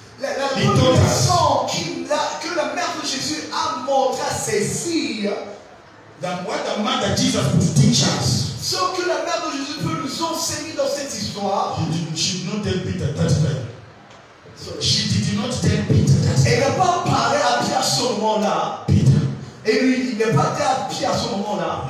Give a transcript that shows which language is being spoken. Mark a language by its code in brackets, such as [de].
[fr] Que la mère de Jésus a montré à ses filles. [en] That what the mother Jesus could teach us. [fr] Ce que la mère de Jésus peut nous enseigner dans cette histoire. [en] She did not tell Peter that. [fr] Elle n'a pas parlé à Pierre à ce moment-là. [en] Peter. [fr] Et lui, il n'a pas dit à Pierre à ce moment-là.